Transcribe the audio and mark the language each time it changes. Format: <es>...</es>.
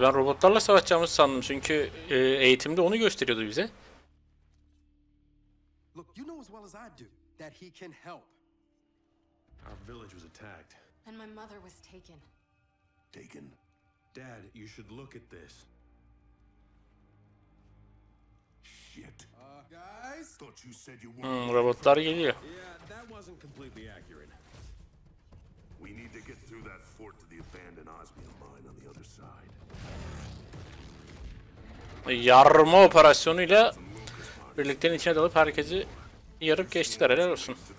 <tr>Ben robotlarla savaşacağımızı sandım çünkü eğitimde onu gösteriyordu bize.</tr> <en>Look, you know as well as I do that he can help. Our village was attacked. And my mother was taken. Taken? Dad, you should look at this. Shit. Guys, thought you said you were.</en> <tr>Robotlar geliyor.</tr> <en>Yeah, that wasn't completely accurate. We need to get through that fort to the abandoned osmium mine on the other side.</en> <tr>Yarma operasyonuyla birliklerin içine dalıp herkesi yarıp geçtiler, helal olsun.</tr>